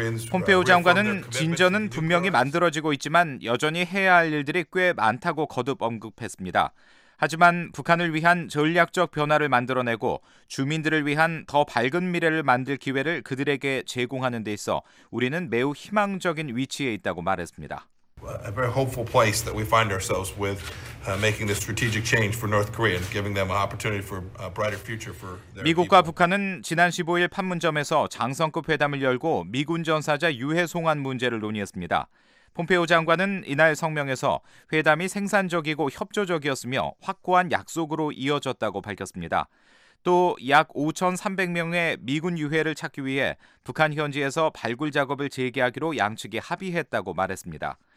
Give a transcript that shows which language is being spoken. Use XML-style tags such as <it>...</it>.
<ko>폼페오 장관은 진전은 분명히 만들어지고 있지만 여전히 해야 할 일들이 꽤 많다고 거듭 언급했습니다. 하지만 북한을 위한 전략적 변화를 만들어내고 주민들을 위한 더 밝은 미래를 만들 기회를 그들에게 제공하는 데 있어 우리는 매우 희망적인 위치에 있다고 말했습니다.</ko> <en>A very hopeful place that we find ourselves with making this strategic change for North Korea and giving them an opportunity for a brighter future for their people.</en> <ko>미국과 북한은 지난 15일 판문점에서 장성급 회담을 열고 미군 전사자 유해 송환 문제를 논의했습니다. 폼페오 장관은 이날 성명에서 회담이 생산적이고 협조적이었으며 확고한 약속으로 이어졌다고 밝혔습니다. 또 약 5,300명의 미군 유해를 찾기 위해 북한 현지에서 발굴 작업을 재개하기로 양측이 합의했다고 말했습니다.</ko>